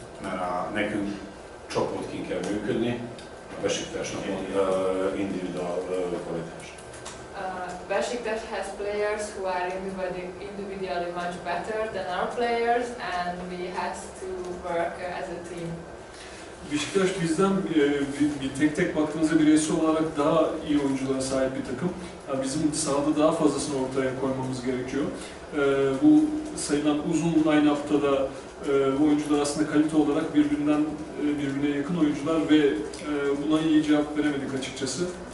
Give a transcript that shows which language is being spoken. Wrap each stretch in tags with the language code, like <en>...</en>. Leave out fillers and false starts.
<hu>Mert nekünk csoportként kell működni, a Beşiktaşnak individual kvalitás.</hu> <en>Beşiktaş has players who are individually much better than our players, and we have to work as a team.</en> <tr>Beşiktaş bizden bir tek tek baktığınızda bireysel olarak daha iyi oyunculara sahip bir takım. Yani bizim sahada daha fazlasını ortaya koymamız gerekiyor. Bu sayılan uzun line up'ta da bu oyuncular aslında kalite olarak birbirine yakın oyuncular ve buna iyi cevap veremedik açıkçası.</tr>